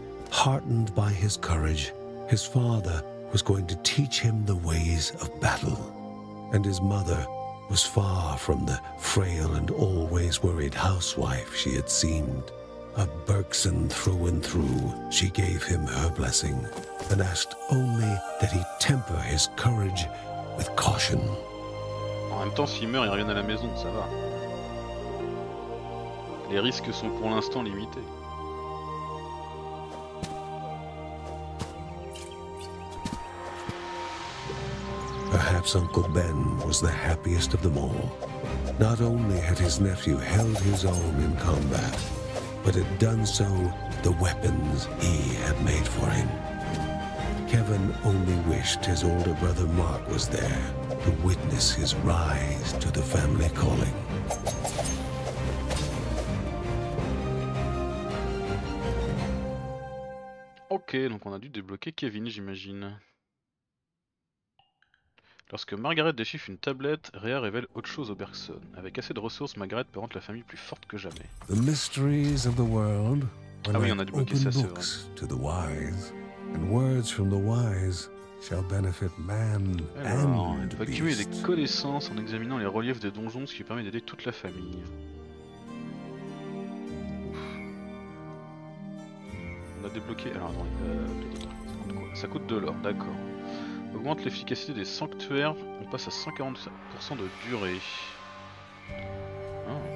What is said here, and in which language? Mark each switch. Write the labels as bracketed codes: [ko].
[en] Heartened by his courage, his father was going to teach him the ways of battle, and his mother was far from the frail and always worried housewife she had seemed. A Berkson through and through, she gave him her blessing and asked only that he temper his courage with caution. [fr] En même temps, s'il meurt, il revient à la maison, ça va. Les risques sont pour l'instant limités. [en] Perhaps Uncle Ben was the happiest of them all. Not only had his nephew held his own in combat, but had done so the weapons he had made for him. Kevin only wished his older brother Mark was there to witness his rise to the family calling. [fr] Okay, donc on a dû débloquer Kevin, j'imagine. Lorsque Margaret déchiffre une tablette, Rhea révèle autre chose aux Bergson. Avec assez de ressources, Margaret peut rendre la famille plus forte que jamais. [en] The mysteries of the world, when [fr] ah oui, on a débloqué ça, c'est vrai. [en] To the wise, and words from the wise shall benefit man and beast. [fr] Alors, on peut accumuler des connaissances en examinant les reliefs des donjons, ce qui permet d'aider toute la famille. On a débloqué... Alors, attends, ça coûte de l'or, d'accord. Augmente l'efficacité des sanctuaires, on passe à 145% de durée. Ah.